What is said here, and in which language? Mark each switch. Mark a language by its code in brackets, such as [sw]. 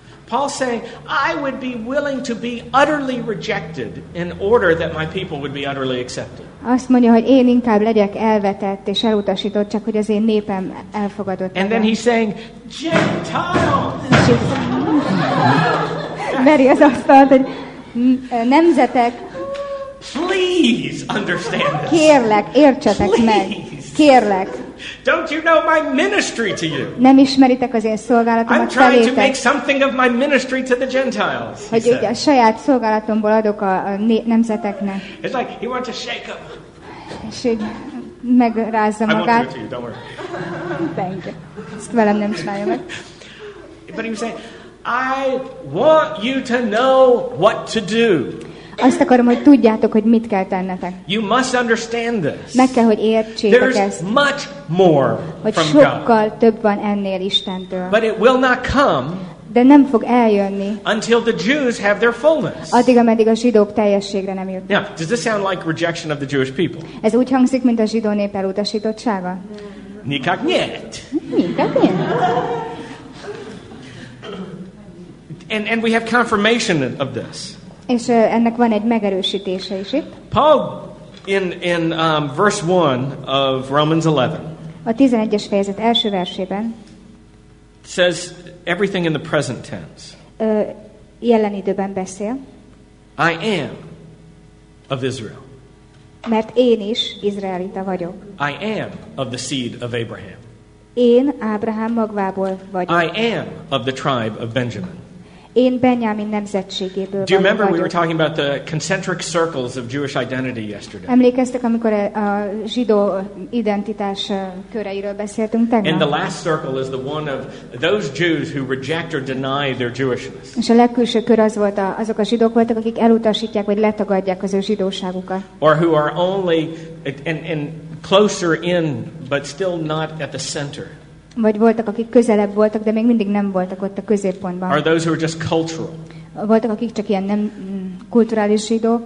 [en] Paul saying, I would be willing to be utterly rejected in order that my people would be utterly accepted. [hu] Azt mondja, hogy én inkább legyek elvetett és elutasított, csak hogy az én népem elfogadott. [en] And then he's saying, Gentiles! [hu] Meri az asztalt, hogy nemzetek, [en] please understand this. [hu] Kérlek, értsetek meg. Kérlek. [en] Don't you know my ministry to you? [hu] Nem ismeritek az én szolgálatomat felétek. [en] I'm trying to make something of my ministry to the Gentiles. [hu] Hogy a saját szolgálatomból adok a nemzeteknek. [en] It's like he wants to shake them. [hu] És így megrázza magát. [en] I won't do it to you, don't worry. Thank you. [hu] Ezt velem nem csinálja meg. [en] But he was saying, I want you to know what to do. [hu] Azt akarom, hogy tudjátok, hogy mit kell tennetek. [en] You must understand this. [hu] Meg kell, hogy értsétek [en] There's [hu] ezt. [en] Much more [hu] hogy [en] from [hu] sokkal [en] God. [hu] Több van ennél Istentől. [en] But it will not come [hu] de nem fog eljönni [en] until the Jews have their fullness. [hu] Addig, ameddig a zsidók teljességre nem jutnak. [en] Now, does this sound like rejection of the Jewish people? [hu] Ez úgy hangzik, mint a zsidó nép elutasítottsága? [ru] Nikak nyet. Nikak nyet. [en] And we have confirmation of this. [hu] És ennek van egy megerősítése is itt. [en] Paul, in verse 1 of Romans 11. [hu] A 11-es fejezet első versében. [en] Says everything in the present tense. [hu] Jelen időben beszél. [en] I am of Israel. [hu] Mert én is izraelita vagyok. [en] I am of the seed of Abraham. [hu] Én Ábrahám magvából vagyok. [en] I am of the tribe of Benjamin. [hu] Én Benjamin nemzetségéből [en] Do you remember we were talking about the concentric circles of Jewish identity yesterday? [hu] Emlékeztek, amikor a zsidó identitás köreiről beszéltünk tegnap? [en] And the last circle is the one of those Jews who reject or deny their Jewishness. [hu] És a legkülső kör az volt, azok a zsidók voltak, akik elutasítják vagy letagadják az ő zsidóságukat. [en] Or who are only and closer in, but still not at the center. [hu] Vagy voltak, akik közelebb voltak, de még mindig nem voltak ott a középpontban. [en] Are those who are just cultural? [hu] Voltak, akik csak ilyen nem kulturális zsidó.